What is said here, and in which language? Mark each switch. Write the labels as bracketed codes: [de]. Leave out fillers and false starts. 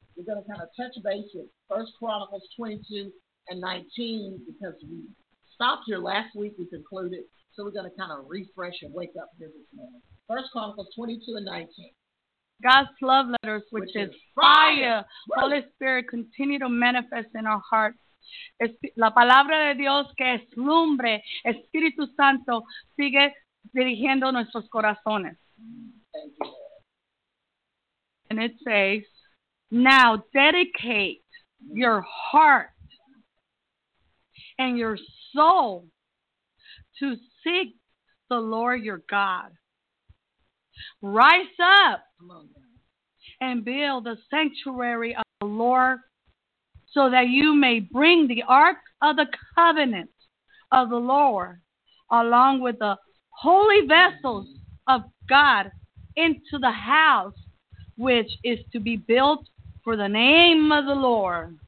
[en] We're going to kind of touch base with 1 Chronicles 22 and 19 because we stopped here last week. We concluded, so we're going to kind of refresh and wake up here this morning. 1 Chronicles 22 and 19. God's love letters, which is fire. Holy Spirit, continue to manifest in our hearts. [es] La palabra de Dios que es lumbre, Espíritu Santo, sigue dirigiendo nuestros corazones. [en] Thank you, Lord. And it says, now dedicate your heart and your soul to seek the Lord your God. Rise up and build the sanctuary of the Lord so that you may bring the Ark of the Covenant of the Lord along with the holy vessels of God into the house which is to be built for the name of the Lord.